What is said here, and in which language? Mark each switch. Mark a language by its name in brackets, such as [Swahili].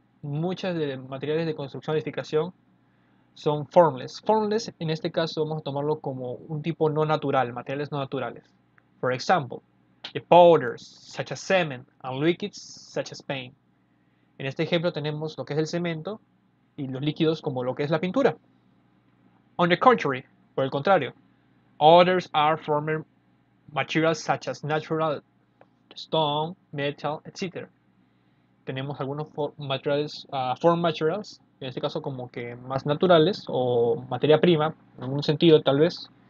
[Spanish] Muchas de materiales de construcción y edificación son formless. Formless, en este caso, vamos a tomarlo como un tipo no natural, materiales no naturales. [English] For example, the powders, such as cement, and liquids, such as paint. [Spanish] En este ejemplo tenemos lo que es el cemento y los líquidos como lo que es la pintura. [English] On the contrary, [Spanish] por el contrario, [English] others are former materials such as natural stone, metal, etc. [Spanish] Tenemos algunos form materials, en este caso como que más naturales o materia prima, en algún sentido tal vez.